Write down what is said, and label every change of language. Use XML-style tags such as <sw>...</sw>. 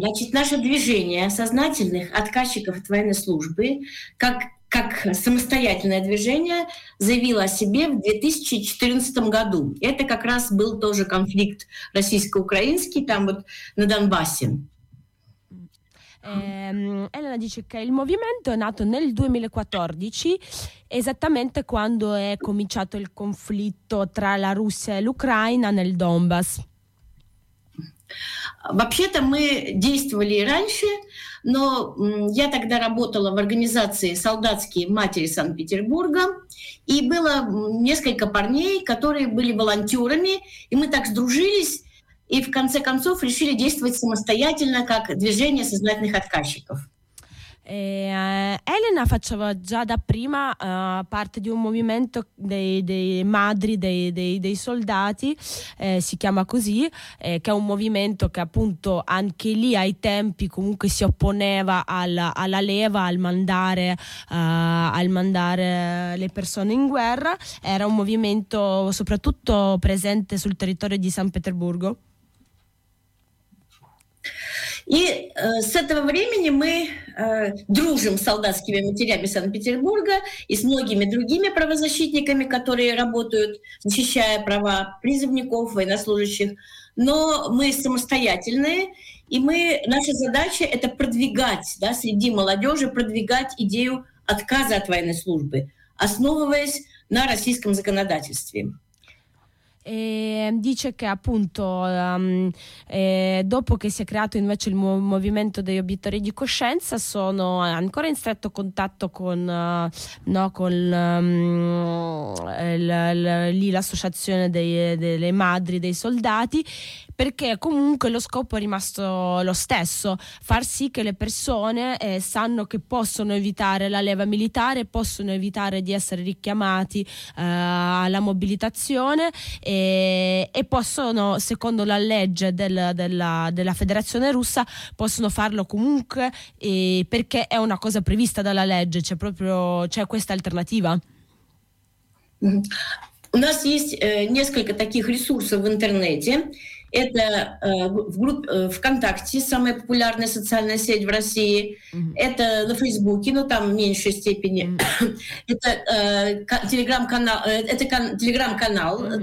<ru>Значит, наше движение сознательных отказчиков от военной службы как самостоятельное движение заявило о себе в 2014 году. Это как раз был тоже конфликт российско-украинский там вот на Донбассе.</ru> <it>Elena dice che il movimento è nato nel 2014, esattamente quando è cominciato il conflitto tra la Russia e l'Ucraina nel Donbass.</it> <ru>Вообще-то мы действовали раньше, но я тогда работала в организации «Солдатские матери Санкт-Петербурга», и было несколько парней, которые были волонтерами, и мы так сдружились, и в конце концов решили действовать самостоятельно, как движение сознательных отказчиков.</ru> <it>Elena faceva già da prima parte di un movimento dei madri dei soldati, si chiama così, che è un movimento che appunto anche lì ai tempi comunque si opponeva alla leva, al mandare le persone in guerra. Era un movimento soprattutto presente sul territorio di San Pietroburgo.</it> <ru>И с этого времени мы дружим с солдатскими матерями Санкт-Петербурга и с многими другими правозащитниками, которые работают, защищая права призывников, военнослужащих. Но мы самостоятельные, и наша задача — это продвигать, да, среди молодежи, продвигать идею отказа от военной службы, основываясь на российском законодательстве.</ru> <it>E dice che appunto dopo che si è creato invece il movimento degli obiettori di coscienza sono ancora in stretto contatto con l'associazione delle madri dei soldati, perché comunque lo scopo è rimasto lo stesso: far sì che le persone sanno che possono evitare la leva militare, possono evitare di essere richiamati alla mobilitazione e possono, secondo la legge della Federazione Russa, possono farlo comunque, perché è una cosa prevista dalla legge, c'è questa alternativa.</it> <ru>У нас есть несколько таких ресурсов в интернете. Это в группе ВКонтакте, самая популярная социальная сеть в России. Mm-hmm. Это на Фейсбуке, но там в меньшей степени. Mm-hmm. Это телеграм-канал, mm-hmm.</ru>